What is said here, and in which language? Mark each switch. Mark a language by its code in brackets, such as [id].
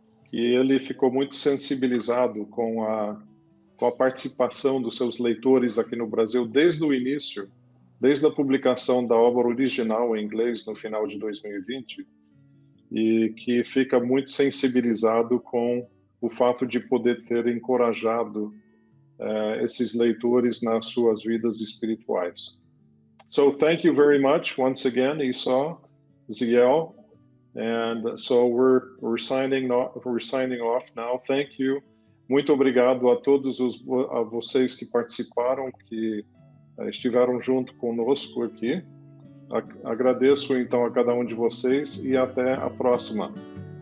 [pt] E ele ficou muito sensibilizado com a participação dos seus leitores aqui no Brasil desde o início, desde a publicação da obra original em inglês no final de 2020, e que fica muito sensibilizado com o fato de poder ter encorajado esses leitores nas suas vidas espirituais. [en] So thank you very much once again, Esau, Ziel, and so we're signing off now. Thank you. [pt] Muito obrigado a todos a vocês que participaram, que estiveram junto conosco aqui. Agradeço então a cada um de vocês e até a próxima.